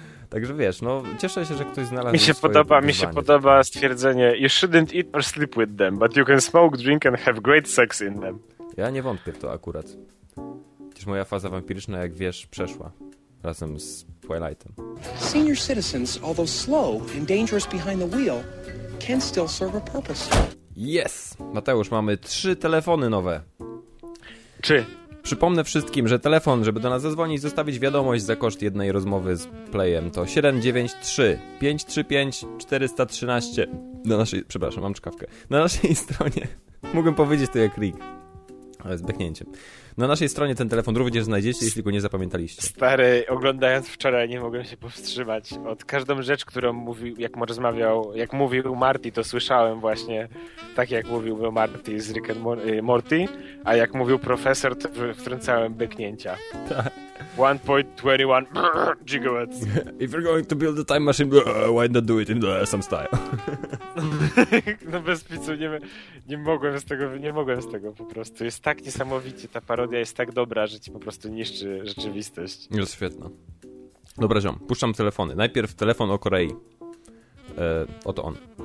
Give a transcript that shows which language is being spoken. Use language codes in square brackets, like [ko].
[pl] Także wiesz, no cieszę się, że ktoś znalazł. Mi się podoba stwierdzenie: [en] you shouldn't eat or sleep with them, but you can smoke, drink and have great sex in them. [pl] Ja nie wątpię w to akurat. Przecież moja faza wampiryczna, jak wiesz, przeszła. Razem z Twilightem. [en] Senior citizens, although slow and dangerous behind the wheel, can still serve a purpose. [pl] Yes! Mateusz, mamy 3 telefony nowe. Czy? Przypomnę wszystkim, że telefon, żeby do nas zadzwonić, zostawić wiadomość za koszt jednej rozmowy z Playem, to 793-535-413 na naszej, przepraszam, mam czkawkę, na naszej stronie, mógłbym powiedzieć to jak Rick, ale zbeknięcie. Na naszej stronie ten telefon również znajdziecie, jeśli go nie zapamiętaliście. Stary, oglądając wczoraj, nie mogłem się powstrzymać. Od każdą rzecz, którą mówił, jak mówił Marty, to słyszałem właśnie tak, jak mówił Marty z Rick and Morty, a jak mówił profesor, to wtrącałem byknięcia. Tak. [en] 1.21 gigawatts. If you're going to build a time machine, why not do it in some style? [pl] No bez picu, nie mogłem z tego po prostu. Jest tak niesamowicie ta parodia jest tak dobra, że ci po prostu niszczy rzeczywistość. No świetna. Dobra, ziom, puszczam telefony. Najpierw telefon o Korei. Oto on.